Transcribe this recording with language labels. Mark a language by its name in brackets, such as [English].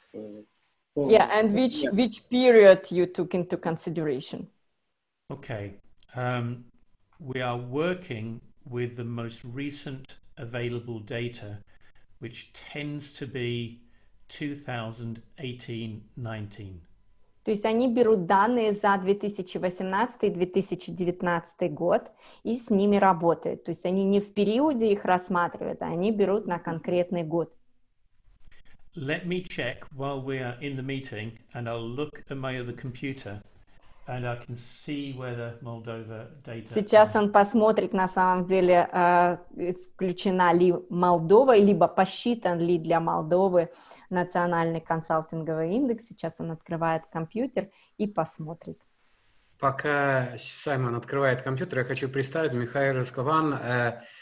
[English] Yeah, and which period you took into consideration? Okay, we are working with the most recent available data, which tends to be 2018-19. [Russian] То есть они берут данные за 2018-2019 год и с ними работают. То есть они не в периоде их рассматривают, а они берут на конкретный год. [English] Let me check while we are in the meeting, and I'll look at my other computer, and I can see where the Moldova data. [Russian] Сейчас он посмотрит, на самом деле, включена ли Молдова, либо посчитан ли для Молдовы национальный консалтинговый индекс. Сейчас он открывает компьютер и посмотрит. Пока Саймон открывает компьютер, я хочу представить Михаил Раскован.